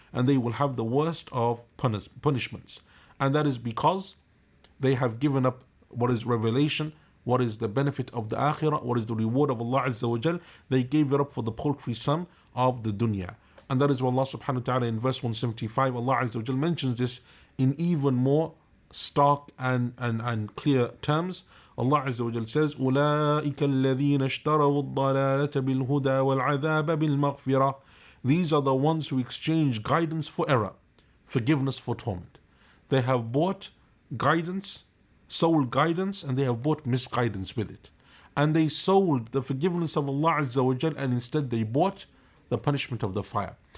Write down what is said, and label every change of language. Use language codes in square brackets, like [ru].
[en] And they will have the worst of punishments. And that is because they have given up what is revelation, what is the benefit of the akhirah, what is the reward of Allah Azza wa Jal. They gave it up for the paltry sum of the dunya. And that is why Allah subhanahu wa ta'ala in verse 175, Allah Azza wa Jal mentions this in even more stark and clear terms. Allah Azza wa Jal says, [ar] أُولَٰئِكَ الَّذِينَ اشْتَرَوُوا الضَّلَالَةَ بِالْهُدَىٰ وَالْعَذَابَ بِالْمَغْفِرَةِ. [en] These are the ones who exchange guidance for error, forgiveness for torment. They have bought guidance, sold guidance, and they have bought misguidance with it. And they sold the forgiveness of Allah Azza wa Jal, and instead they bought the punishment of the fire.